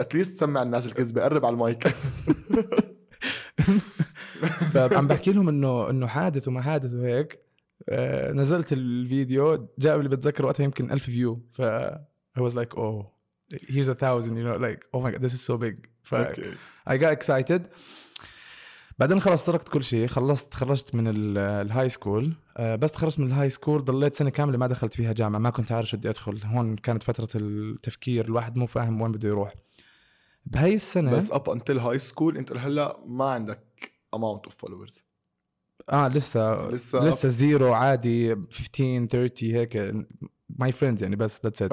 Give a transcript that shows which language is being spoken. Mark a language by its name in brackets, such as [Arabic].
[English] At least [Arabic] سمع الناس الكذبة قرب على المايك. عم بحكي لهم إنه حادث وما حادث وهيك. نزلت الفيديو جاب اللي بتذكر وقتها يمكن 1000 فيو. [English] ف I was like oh here's 1000 you know like oh my god this is so big. [Arabic] ف [English] okay. I got excited. [Arabic] بعدين خلاص تركت كل شيء. خلصت من الهاي سكول. بس تخرجت من الهاي سكول ضليت سنة كاملة ما دخلت فيها جامعة. ما كنت عارف شو بدي أدخل. هون كانت فترة التفكير الواحد مو فاهم وين بده يروح بهاي السنة. بس [English] up until high school [Arabic] انت هلا ما عندك [English] amount of followers. [Arabic] لسه زيرو عادي 15 30 هيك [English] my friends [Arabic] يعني بس [English] that's it.